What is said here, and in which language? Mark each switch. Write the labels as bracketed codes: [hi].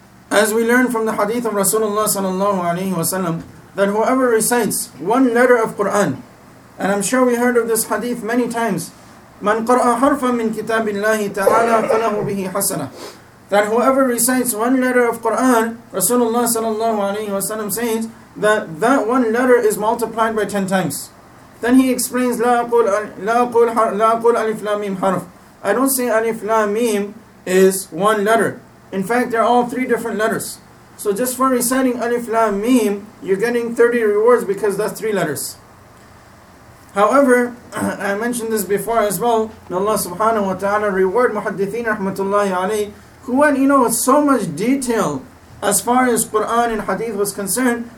[en] As we learn from the hadith of Rasulullah sallallahu alayhi wa sallam, that whoever recites one letter of Qur'an, and I'm sure we heard of this hadith many times, [ar] مَنْ قَرْأَ حَرْفًا مِنْ كِتَابِ اللَّهِ تَعَالَى فَلَهُ بِهِ حَسَنًا. [en] That whoever recites one letter of Qur'an, Rasulullah sallallahu alayhi wa sallam says that one letter is multiplied by 10 times. Then he explains, [ar] لا أقول ألف لام ميم حرف. [en] I don't say ألف لام ميم is one letter. In fact, they're all 3 different letters. So just for reciting ألف لام ميم, you're getting 30 rewards because that's 3 letters. However, I mentioned this before as well, may Allah subhanahu wa ta'ala reward muhaddithin rahmatullahi alayhi, who went, you know, with so much detail as far as Qur'an and hadith was concerned.